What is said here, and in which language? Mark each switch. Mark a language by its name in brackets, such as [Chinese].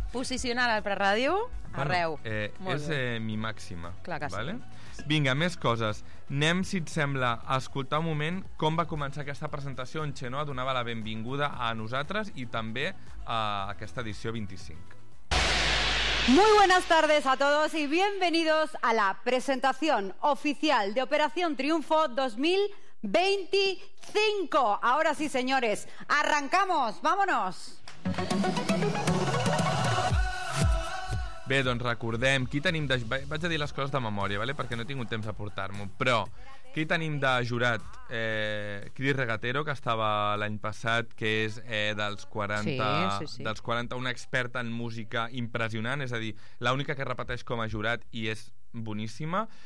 [Catalan] Posicionar el Prat Ràdio arreu. Bueno, és mi màxima. Clar que [Spanish] vale? [Catalan] Sí. Vinga, més coses. Anem, si et sembla, a escoltar un moment com va començar aquesta presentació on Xenoa donava la benvinguda a nosaltres i també a aquesta edició 25. [Spanish] Muy buenas tardes a todos y bienvenidos a la presentación oficial de Operación Triunfo 2025. 25. Ahora sí, señores, arrancamos, vámonos. [Catalan] Bé, doncs recordem, qui tenim de... Vaig a dir les coses de memòria, ¿vale? Perquè no he tingut temps de portar-m'ho, però qui tenim de jurat? Cris Regatero, que estava l'any passat, que és dels 40... Sí, sí, sí. Dels 40, una experta en música impressionant, és a dir, l'única que repeteix com a jurat i és boníssima.